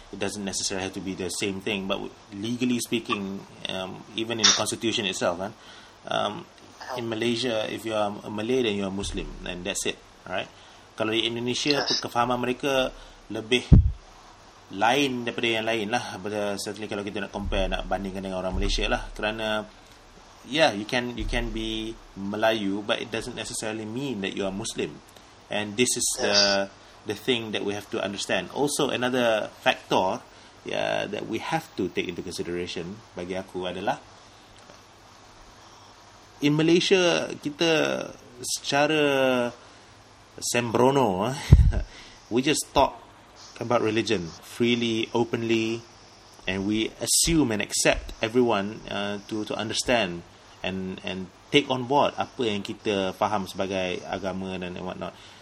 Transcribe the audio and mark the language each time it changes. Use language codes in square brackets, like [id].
[en] It doesn't necessarily have to be the same thing, but legally speaking, even in the constitution itself, kan, in Malaysia, if you are a Malay then you are Muslim, then that's it, right? [ms] Kalau di Indonesia, kefahaman mereka lebih lain daripada yang lain lah. Certainly kalau kita nak compare, nak bandingkan dengan orang Malaysia lah. [en] Kerana yeah, you can be Melayu, but it doesn't necessarily mean that you are Muslim. And this is the thing that we have to understand. Also another factor that we have to take into consideration [ms] bagi aku adalah, [en] in Malaysia [ms] kita secara sembrono [en] we just talk about religion freely, openly, and we assume and accept everyone to understand and take on board [ms] apa yang kita faham sebagai agama [en] and whatnot.